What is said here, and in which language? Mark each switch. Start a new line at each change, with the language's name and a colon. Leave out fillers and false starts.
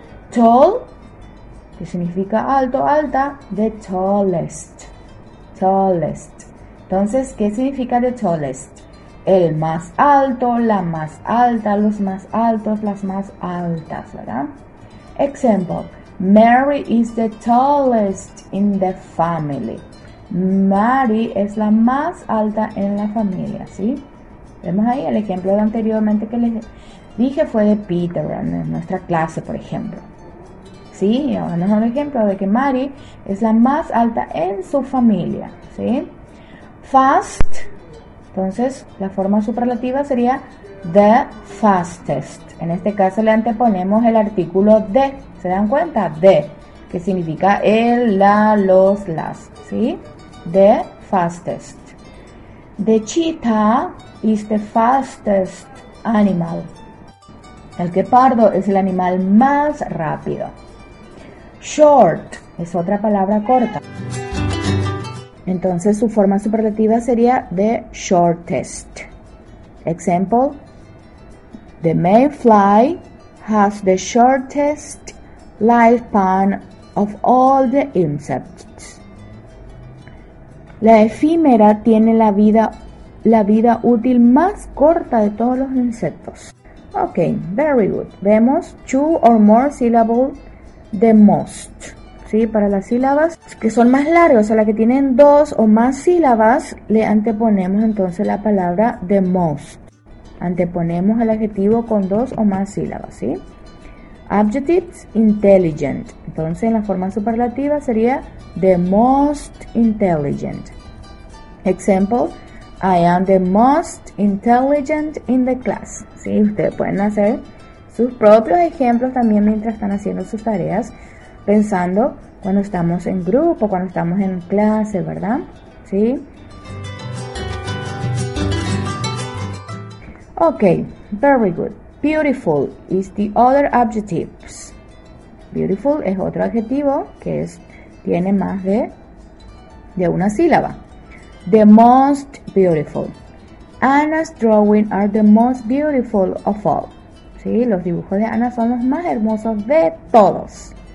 Spanish: Tall, que significa alto, alta,
English: the tallest, tallest.
Spanish: Entonces, ¿qué significa
English: the tallest?
Spanish: El más alto, la más alta, los más altos, las más altas, ¿verdad?
English: Example, Mary is the tallest in the family.
Spanish: Mary es la más alta en la familia, ¿sí? Vemos ahí el ejemplo de anteriormente que les dije fue de Peter, ¿verdad? En nuestra clase, por ejemplo. ¿Sí? Y ahora nos da un ejemplo de que Mary es la más alta en su familia, ¿sí? Fast, entonces la forma superlativa sería
English: the fastest.
Spanish: En este caso le anteponemos el artículo the. ¿Se dan cuenta? The, que significa el, la, los, las, ¿sí?
English: The fastest. The cheetah is the fastest animal.
Spanish: El guepardo es el animal más rápido. Short es otra palabra corta. Entonces su forma superlativa sería
English: the shortest. Example, the mayfly has the shortest lifespan of all the insects.
Spanish: La efímera tiene la vida útil más corta de todos los insectos.
English: Ok, very good.
Spanish: Vemos
English: two or more syllables the most. ¿Sí?
Spanish: Para las sílabas que son más largas, o sea, las que tienen dos o más sílabas, le anteponemos entonces la palabra
English: the most.
Spanish: Anteponemos el adjetivo con dos o más sílabas, ¿sí? Adjectives, intelligent. Entonces, en la forma superlativa sería
English: the most intelligent. Example, I am the most intelligent in the class.
Spanish: Sí, ustedes pueden hacer sus propios ejemplos también mientras están haciendo sus tareas, pensando cuando estamos en grupo, cuando estamos en clase, ¿verdad? Sí.
English: Ok, very good. Beautiful is the other adjectives.
Spanish: Beautiful es otro adjetivo que es, tiene más de una sílaba.
English: The most beautiful. Anna's drawings are the most beautiful of all.
Spanish: Sí, los dibujos de Anna son los más hermosos de todos.